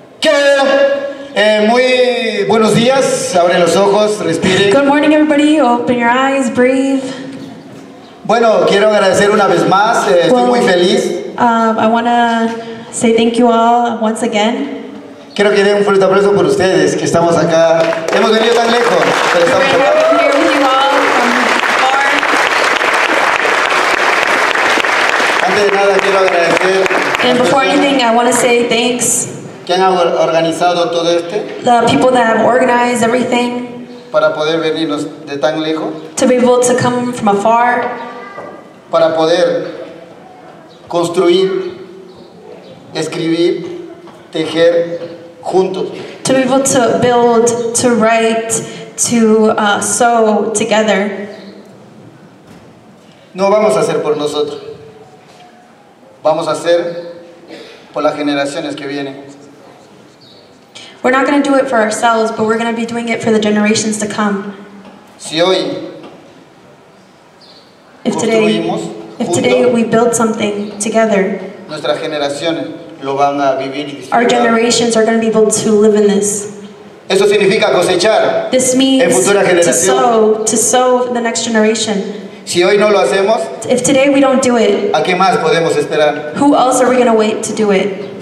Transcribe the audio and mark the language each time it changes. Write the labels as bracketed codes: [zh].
[es] ¡Qué! Muy buenos días, abre los ojos, respire. [en] Good morning, everybody, open your eyes, breathe. [es] Bueno, quiero agradecer una vez más. Estoy muy feliz. [en] I want to say thank you all once again. [es] Quiero que den un fuerte aplauso por ustedes, que estamos acá. Hemos venido tan lejos, pero estamos acá. [en] And before anything, I want to say thanks. [es] ¿Quién ha organizado todo este? [en] The people that have organized everything. [es] Para poder venirnos de tan lejos. [en] To be able to come from afar. [es] Para poder construir, escribir, tejer juntos. [en] To be able to build, to write, to sew together. [es] No vamos a hacer por nosotros. Vamos a hacer por las generaciones que vienen. [en] We're not going to do it for ourselves, but we're going to be doing it for the generations to come. [es] Si hoy [en] if today we build something together, [es] nuestras generaciones lo van a vivir y disfrutar. [en] Our generations are going to be able to live in this. [es] Eso significa cosechar. [en] This means [es] en futura generación. [en] To sow the next generation. [es] Si hoy no lo hacemos, [en] if today we don't do it, [es] ¿a qué más podemos esperar? [en] Who else are we going to wait to do it?